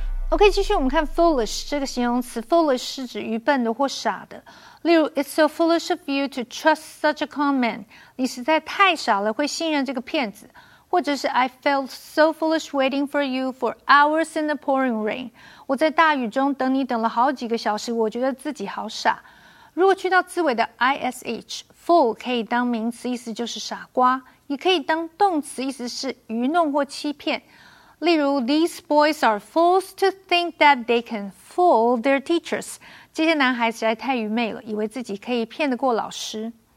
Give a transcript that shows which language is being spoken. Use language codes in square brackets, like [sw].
[zh] OK, 继续我们看 foolish这个形容词, foolish是指愚笨的或傻的。例如, [en] it's so foolish of you to trust such a con man. [zh] 你实在太傻了,会信任这个骗子。或者是 [en] I felt so foolish waiting for you for hours in the pouring rain. [zh] 我在大雨中等你等了好几个小时,我觉得自己好傻。如果去到字尾的 ish, fool 可以当名词,意思就是傻瓜。也可以当动词,意思是愚弄或欺骗。例如, [en] these boys are fools to think that they can fool their teachers. [zh] 这些男孩实在太愚昧了，以为自己可以骗得过老师。